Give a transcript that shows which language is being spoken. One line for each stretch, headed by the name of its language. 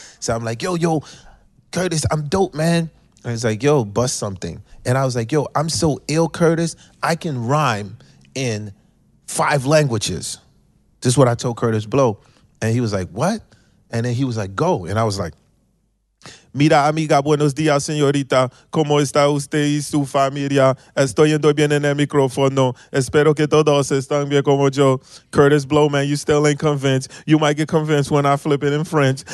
English: So I'm like, yo, Curtis, I'm dope, man. And he's like, yo, bust something. And I was like, yo, I'm so ill, Curtis, I can rhyme in 5 languages. This is what I told Curtis Blow. And he was like, what? And then he was like, go.
Spanish: And I was like, mira, amiga, buenos dias, señorita. ¿Cómo está usted y su familia? Estoy yendo bien en el micrófono. Espero que todos estén bien como yo.
English: Curtis Blow, man, you still ain't convinced. You might get convinced when I flip it in French.